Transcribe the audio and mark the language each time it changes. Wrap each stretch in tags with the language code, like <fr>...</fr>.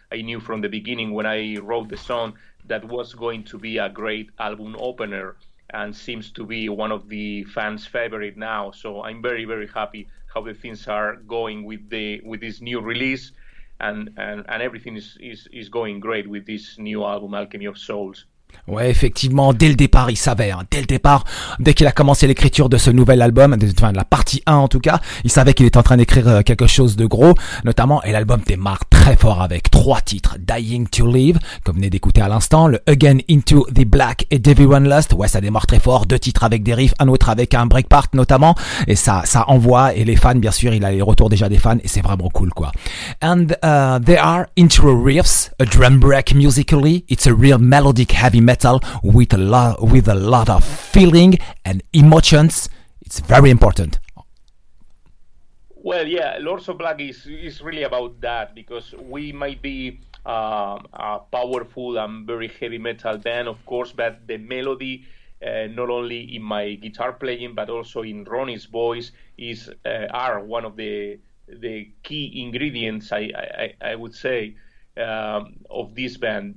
<en>I knew from the beginning when I wrote the song that was going to be a great album opener, and seems to be one of the fans' favorite now. So I'm very, very happy how the things are going with this new release, and everything is going great with this new album, Alchemy of Souls.</en> <fr>Ouais, effectivement, dès le départ, il savait, hein. Dès le départ, dès qu'il a commencé l'écriture de ce nouvel album, enfin, de la partie 1 en tout cas, il savait qu'il était en train d'écrire quelque chose de gros, notamment, et l'album démarre très fort avec trois titres, Dying to Live, que vous venez d'écouter à l'instant, le Again into the Black et Deviant Lust, ouais, ça démarre très fort, deux titres avec des riffs, un autre avec un break part notamment, et ça envoie, et les fans, bien sûr, il a les retours déjà des fans, et c'est vraiment cool, quoi.</fr> <en>And there are intro riffs, a drum break musically, it's a real melodic heavy metal with a lot of feeling and emotions. It's very important. Well, yeah, Lords of Black is really about that, because we might be a powerful and very heavy metal band, of course, but the melody, not only in my guitar playing but also in Ronnie's voice, is are one of the key ingredients, I would say, of this band.</en>